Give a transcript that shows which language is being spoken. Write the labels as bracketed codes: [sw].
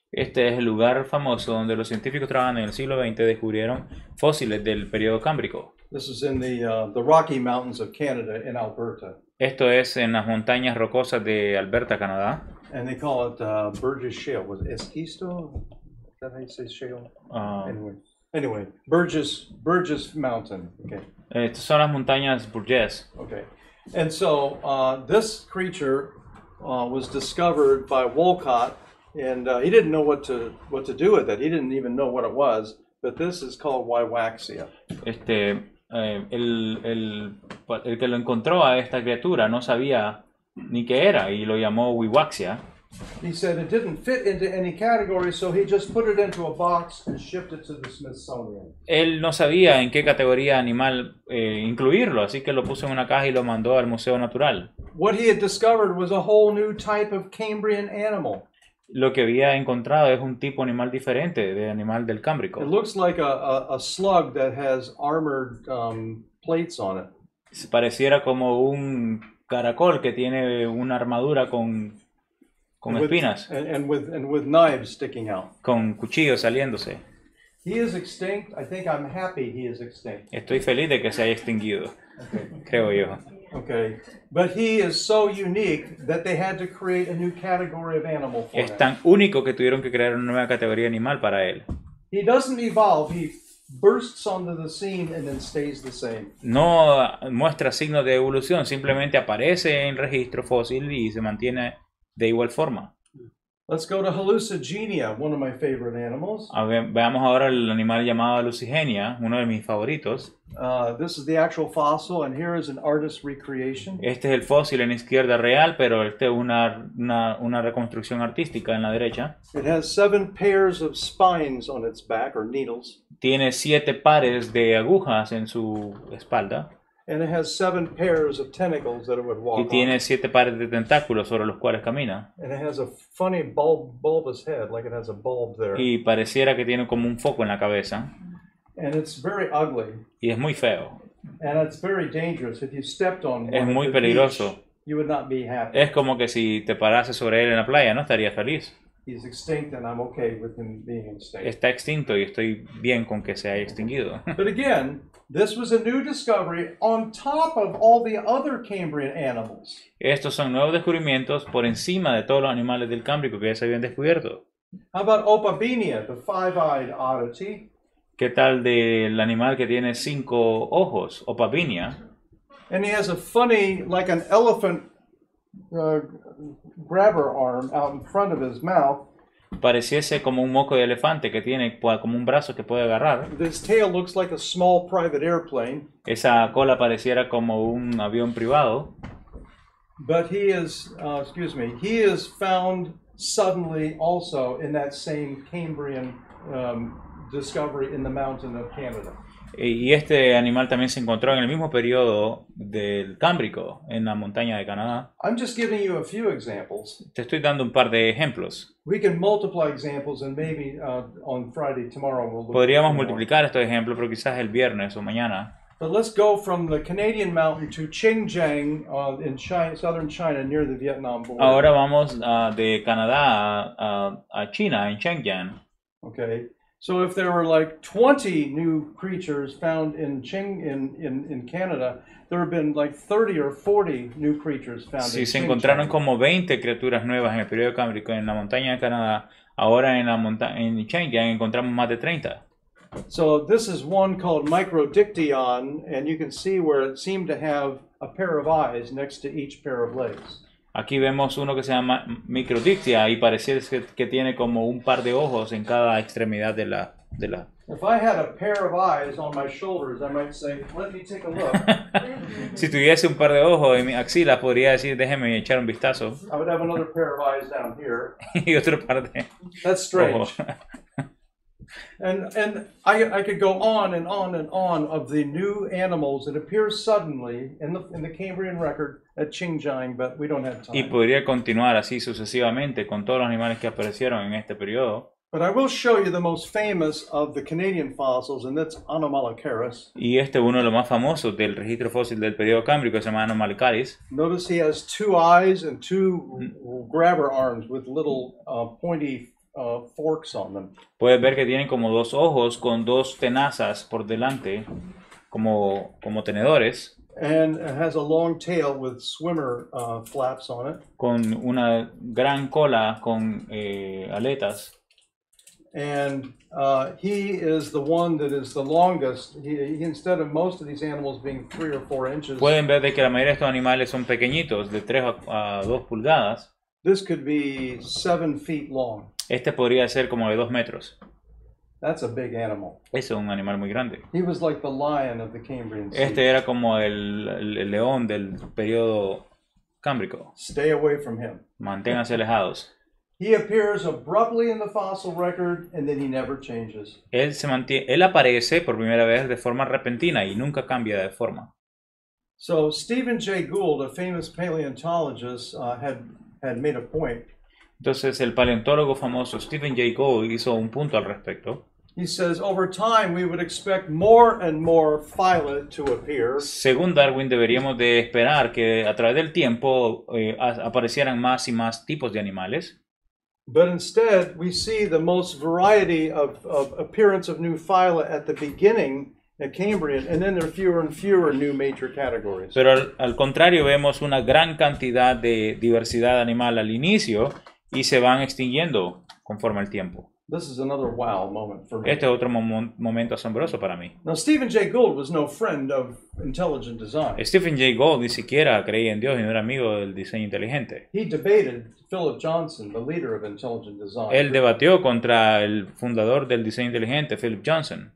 [es] Este es el lugar famoso donde los científicos trabajando en el siglo XX descubrieron fósiles del periodo Cámbrico. [en] This is in the Rocky Mountains of Canada in Alberta. [es] Esto es en las montañas rocosas de Alberta, Canadá. [en] And they call it Burgess Shale. Was it esquisto? Is that how you say shale? Anyway, Burgess Mountain. Okay. [es] Estas son las montañas Burgess. [en] Okay. And so this creature was discovered by Wolcott. And he didn't know what to do with it. He didn't even know what it was. But this is called Wywaxia. [es] El que lo encontró a esta criatura no sabía ni qué era y lo llamó Wywaxia. [en] He said it didn't fit into any category, so he just put it into a box and shipped it to the Smithsonian. [es] Él no sabía en qué categoría animal incluirlo, así que lo puso en una caja y lo mandó al Museo Natural. [en] What he had discovered was a whole new type of Cambrian animal. [es] Lo que había encontrado es un tipo animal diferente de animal del Cámbrico. [en] It looks like a slug that has armored plates on it. [es] Se pareciera como un caracol que tiene una armadura con espinas. [en] And with knives sticking out. [es] Con cuchillos saliéndose. [en] He is extinct. I think I'm happy he is extinct. [es] Estoy feliz de que se haya extinguido. Creo yo. [en] Okay, but he is so unique that they had to create a new category of animal for him. [es] Es tan único que tuvieron que crear una nueva categoría animal para él. [en] He doesn't evolve, he bursts onto the scene and then stays the same. [es] No muestra signos de evolución, simplemente aparece en registro fósil y se mantiene de igual forma. [en] Let's go to Hallucigenia, one of my favorite animals. [es] Veamos ahora el animal llamado Hallucigenia, uno de mis favoritos. [en] This is the actual fossil, and here is an artist's recreation. [es] Este es el fósil en izquierda real, pero este es una reconstrucción artística en la derecha. [en] It has 7 pairs of spines on its back, or needles. [es] Tiene 7 pares de agujas en su espalda. [en] And it has 7 pairs of tentacles that it would walk on. [es] Y tiene 7 pares de tentáculos sobre los cuales camina. [en] And it has a funny bulbous head, like it has a bulb there. [es] Y pareciera que tiene como un foco en la cabeza. [en] And it's very ugly. [es] Y es muy feo. [en] And it's very dangerous. If you stepped on [es] es muy peligroso. [en] Beach, you would not be happy. [es] Es como que si te parases sobre él en la playa, no estarías feliz. [en] He's extinct and I'm okay with him being extinct. [es] Está extinto y estoy bien con que se haya extinguido. [en] But again, this was a new discovery on top of all the other Cambrian animals. [es] Estos son nuevos descubrimientos por encima de todos los animales del Cámbrico que ya se habían descubierto. [en] How about Opabinia, the five-eyed oddity? [es] ¿Qué tal del animal que tiene 5 ojos, Opabinia? [en] And he has a funny, like an elephant grabber arm out in front of his mouth. [es] Pareciese como un moco de elefante que tiene como un brazo que puede agarrar. [en] This tail looks like a small private airplane. [es] Esa cola pareciera como un avión privado. [en] But he is, he is found suddenly also in that same Cambrian discovery in the mountain of Canada. [es] Y este animal también se encontró en el mismo periodo del Cámbrico, en la montaña de Canadá. [en] I'm just giving you a few examples. [es] Te estoy dando un par de ejemplos. [en] We can multiply examples and maybe on Friday, tomorrow we'll look. [es] Podríamos multiplicar estos ejemplos, pero quizás el viernes o mañana. [en] But let's go from the Canadian mountain to Xinjiang in southern China near the Vietnam border. [es] Ahora vamos de Canadá a China, en Xinjiang. [en] Okay. So if there were like 20 new creatures found in Ching in Canada, there have been like 30 or 40 new creatures found in Ching. [es] Si se encontraron como 20 criaturas nuevas en el periodo cámbrico en la montaña de Canadá, ahora en la montaña en Ching ya encontramos más de 30. [en] So this is one called Microdictyon, and you can see where it seemed to have a pair of eyes next to each pair of legs. [es] Aquí vemos uno que se llama Microdictia y parece que tiene como un par de ojos en cada extremidad de la [en] If I had a pair of eyes on my shoulders, I might say, "Let me take a look." [es] Si tuviese un par de ojos en mi axila, podría decir, "Déjeme echar un vistazo." [en] I would have another pair of eyes down here. [es] Y otro par de [en] That's strange. [es] Ojos. [en] And I could go on and on and on of the new animals that appear suddenly in the Cambrian record at Qingjiang, but we don't have time. [es] Y podría continuar así sucesivamente con todos los animales que aparecieron en este periodo. [en] But I will show you the most famous of the Canadian fossils, and that's Anomalocaris. [es] Y este uno de los más famosos del registro fósil del periodo cámbrico, se llama Anomalocaris. [en] Notice he has two eyes and two grabber arms with little pointy forks on them. [es] Puedes ver que tienen como dos ojos con dos tenazas por delante, como tenedores. [en] And it has a long tail with swimmer flaps on it. [es] Con una gran cola con aletas. [en] And he is the one that is the longest. He instead of most of these animals being 3 or 4 inches. [es] Pueden ver de que la mayoría de estos animales son pequeñitos, de 3 a 2 pulgadas. [en] This could be 7 feet long. [es] Este podría ser como de 2 metros. [en] That's a big animal. [es] Ese es un animal muy grande. [en] He was like the lion of the Cambrian. [es] Este era como el león del periodo cámbrico. [en] Stay away from him. [es] Manténganse alejados. [en] He appears abruptly in the fossil record, and then he never changes. [es] Él aparece por primera vez de forma repentina y nunca cambia de forma. [en] So Stephen Jay Gould, a famous paleontologist, had made a point. [es] Entonces el paleontólogo famoso Stephen Jay Gould hizo un punto al respecto. [en] He says, over time we would expect more and more phyla to appear. [es] Según Darwin, deberíamos de esperar que a través del tiempo aparecieran más y más tipos de animales. [en] But instead, we see the most variety of appearance of new phyla at the beginning. At Cambrian, and then there are fewer and fewer new major categories. [es] Pero al contrario, vemos una gran cantidad de diversidad animal al inicio y se van extinguiendo conforme el tiempo. [en] This is another wow moment for me. [es] Este es otro momento asombroso para mí. [en] Now, Stephen Jay Gould was no friend of intelligent design. [es] Stephen Jay Gould ni siquiera creía en Dios y no era amigo del diseño inteligente. [en] He debated Philip Johnson, the leader of intelligent design. [es] Él debatió contra el fundador del diseño inteligente, Philip Johnson.